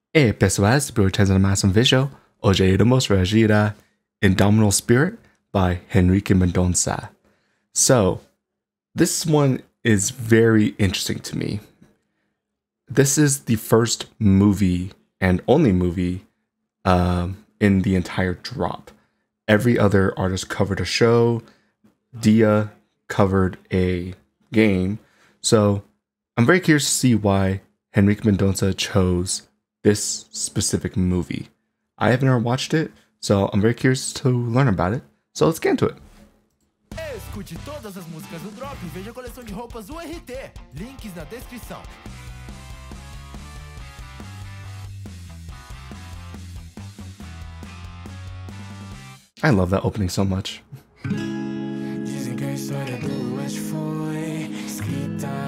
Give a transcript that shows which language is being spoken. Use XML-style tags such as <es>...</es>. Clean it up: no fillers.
<pt>E aí, pessoal, se você está mais um vídeo, hoje iremos reagir a Indomitable Spirit by Henrique Mendonça.</pt> <en>So, this one is very interesting to me. This is the first movie and only movie in the entire drop. Every other artist covered a show, Dia covered a game. So, I'm very curious to see why Henrique Mendonça chose this specific movie. I have never watched it, so I'm very curious to learn about it. So let's get into it.</en> <pt>Escute todas as músicas do Drop e veja a coleção de roupas URT. Links na descrição.</pt> <en>I love that opening so much.</en> <pt>Dizem que a história do West foi escrita.</pt>